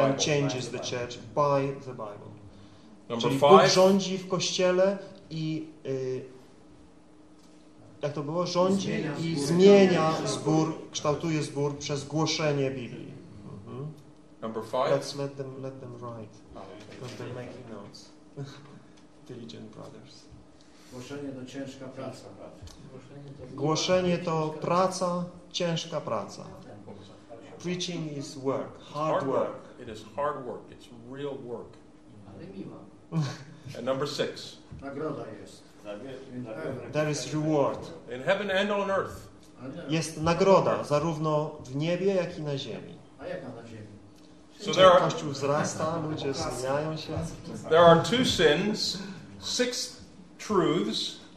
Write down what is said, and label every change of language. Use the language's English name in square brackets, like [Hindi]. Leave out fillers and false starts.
[English] And changes the church by the Bible. Number [Polish] Czyli [English] five. [Polish] Bóg rządzi w kościele i jak to było? Rządzi zmienia i zmienia zbór, kształtuje zbór przez głoszenie Biblii. [English] Mm-hmm. Number five. Let them write. Because they're making notes. Diligent brothers. [Polish] Głoszenie to ciężka praca. Głoszenie to praca, ciężka praca. [English] Preaching is work, hard work. It is hard work, it's real work. [Polish] Ale miła. [English] And number six. [Polish] Nagroda jest. [English] There is reward. In heaven and on earth. [Polish] Jest nagroda, zarówno w niebie, jak i na ziemi. A jaka na ziemi? [English] So there are, [Polish] Kościół wzrasta, ludzie zmieniają się. [English] There are two sins, six truths.